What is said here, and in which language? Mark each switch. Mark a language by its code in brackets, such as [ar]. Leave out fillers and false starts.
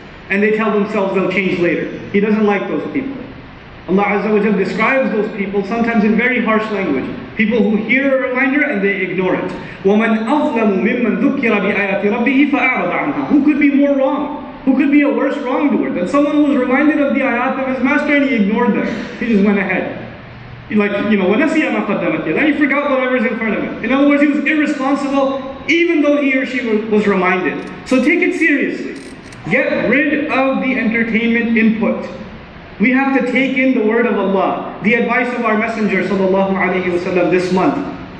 [en] And they tell themselves they'll change later. He doesn't like those people. Allah Azza wa Jalla describes those people sometimes in very harsh language. People who hear a reminder and they ignore it. [ar] وَمَنْ أَظْلَمُ مِمَّنْ ذُكِّرَ بِآيَاتِ رَبِّهِ فَأَعْرَضَ عَنْهَا. [en] Who could be more wrong? Who could be a worse wrongdoer than someone who was reminded of the ayat of his master and he ignored them? He just went ahead. Like, you know, [ar] وَنَسِيَ مَا قَدَّمَتْ يَدَا. [en] He forgot whatever's in front of him. In other words, he was irresponsible even though he or she was reminded. So take it seriously. Get rid of the entertainment input. We have to take in the word of Allah, the advice of our Messenger sallallahu alaihi wasallam this month.